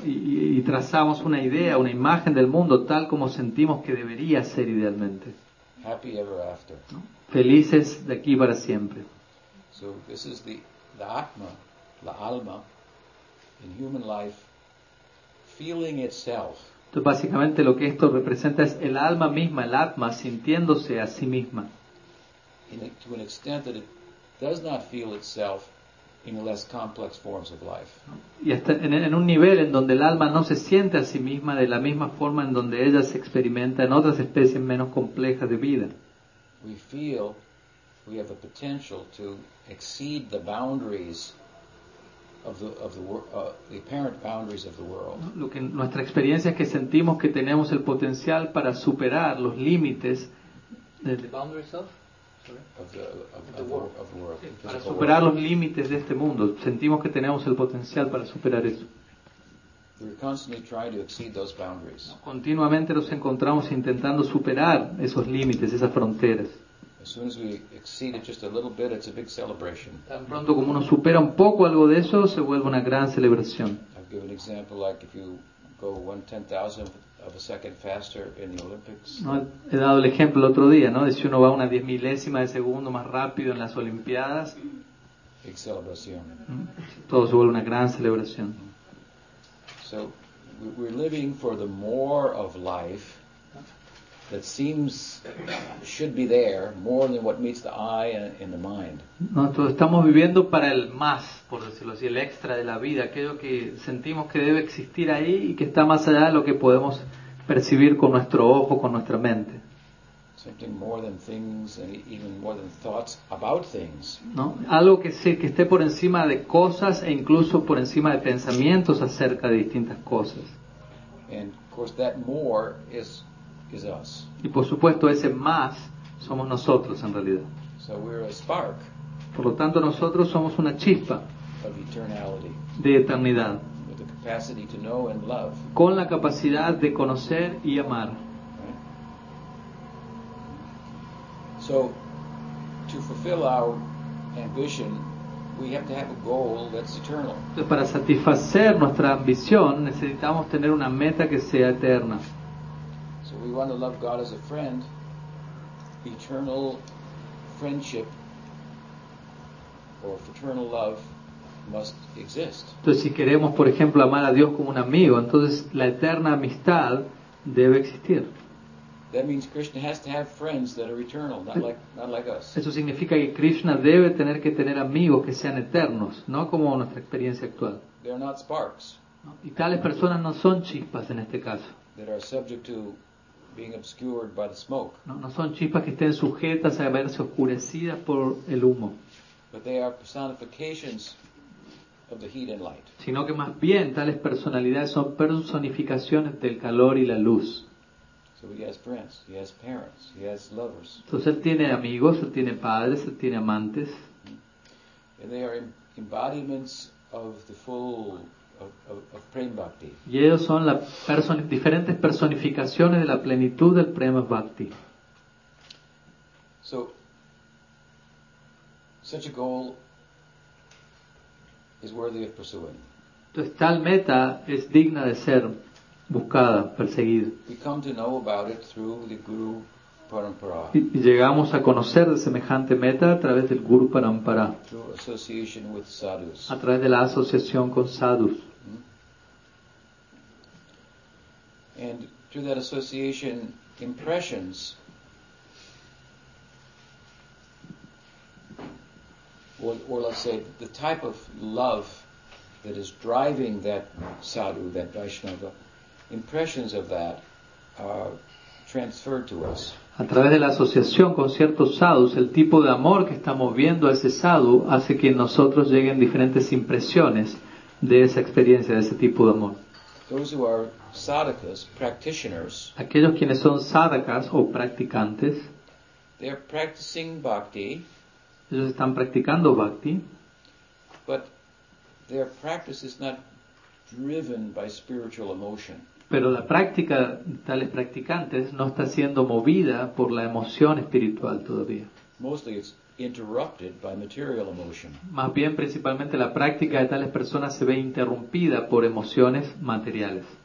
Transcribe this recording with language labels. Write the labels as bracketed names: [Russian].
[Spanish] Y trazamos una idea, una imagen del mundo tal como sentimos que debería ser idealmente. [English] Happy ever after. [Spanish] ¿No? Felices de aquí para siempre. [English] So this is the atma, [Spanish] la alma, [English] in human life, feeling itself. [Spanish] Entonces básicamente lo que esto representa es el alma misma, el atma, sintiéndose a sí misma. [English] To an extent that it does not feel itself in less complex forms of life. [Spanish] Y hasta en un nivel en donde el alma no se siente a sí misma de la misma forma en donde ella se experimenta en otras especies menos complejas de vida. [English] We feel we have the potential to exceed the boundaries the apparent boundaries of the world. [Spanish] Lo que nuestra experiencia es que sentimos que tenemos el potencial para superar los límites los límites de este mundo. Sentimos que tenemos el potencial para superar eso. [English] We're constantly trying to exceed those boundaries. [Spanish] Continuamente nos encontramos intentando superar esos límites, esas fronteras. [English] As soon as we exceed it just a little bit, it's a big celebration. [Spanish] Tan pronto como uno supera un poco algo de eso, se vuelve una gran celebración. [English] I'll give an example like if you go 1/10,000 of a second faster in the Olympics. [Spanish] No, he dado el ejemplo el otro día, ¿no? De si uno va una 1/10 de segundo más rápido en las Olimpiadas. [English] Big celebration. [Spanish] Todo se vuelve una gran celebración. [English] So we're living for the more of life that seems should be there more than what meets the eye and the mind. [Spanish] Nosotros estamos viviendo para el más, por decirlo así, el extra de la vida, aquello que sentimos que debe existir ahí y que está más allá de lo que podemos percibir con nuestro ojo, con nuestra mente. [English] Something more than things, and even more than thoughts about things. [Spanish] No, algo que sea que esté por encima de cosas e incluso por encima de pensamientos acerca de distintas cosas. [English] And of course, that more is us. [Spanish] Y por supuesto, ese más somos nosotros en realidad. [English] So we're a spark. [Spanish] Por lo tanto, nosotros somos una chispa [English] of eternality. [Spanish] De eternidad. [English] With the capacity to know and love. [Spanish] Con la capacidad de conocer y amar. [English] So, to fulfill our ambition, we have to have a goal that's eternal. [Spanish] Para satisfacer nuestra ambición, necesitamos tener una meta que sea eterna. [English] So we want to love God as a friend. Eternal friendship or fraternal love must exist. [Spanish] Entonces, si queremos, por ejemplo, amar a Dios como un amigo, entonces la eterna amistad debe existir. [English] That means Krishna has to have friends that are eternal, not like us. [Spanish] Eso significa que Krishna debe tener que tener amigos que sean eternos, no como nuestra experiencia actual. [English] They are not sparks. [Spanish] Y tales personas no son chispas en este caso. [English] That are subject to being obscured by the smoke. [Spanish] No son chispas que estén sujetas a verse oscurecidas por el humo. [English] But they are personifications of the heat and light. [Spanish] Sino que más bien tales personalidades son personificaciones del calor y la luz. [English] So he has friends, he has parents, he has lovers. [Spanish] Entonces él tiene amigos, él tiene padres, él tiene amantes. [English] And they are embodiments of the full of prema bhakti. [Spanish] Y ellos son las diferentes personificaciones de la plenitud del prema bhakti. [English] So such a goal is worthy of pursuing. [Spanish] Entonces tal meta es digna de ser buscada, perseguida. [English] We come to know about it through the Guru Parampara. [Spanish] Y llegamos a conocer de semejante meta a través del Guru Parampara. [English] Through association with sadhus. [Spanish] A través de la asociación con sadhus. [English] And through that association, impressions or let's say the type of love that is driving that sadhu, that Vaishnava, impressions of that are transferred to us. [Spanish] A través de la asociación con ciertos sadhus, el tipo de amor que estamos viendo a ese sadhu hace que en nosotros lleguen diferentes impresiones de esa experiencia, de ese tipo de amor. [English] Those who are sadhakas, practitioners, [Spanish] aquellos quienes son sadhakas o practicantes, [English] they are practicing bhakti, [Spanish] ellos están practicando bhakti, [English] but their practice is not driven by spiritual emotion. [Spanish] Pero la práctica de tales practicantes no está siendo movida por la emoción espiritual todavía. [English] Mostly it's interrupted by material emotion. [Spanish] Más bien, principalmente, la práctica de tales personas se ve interrumpida por emociones materiales.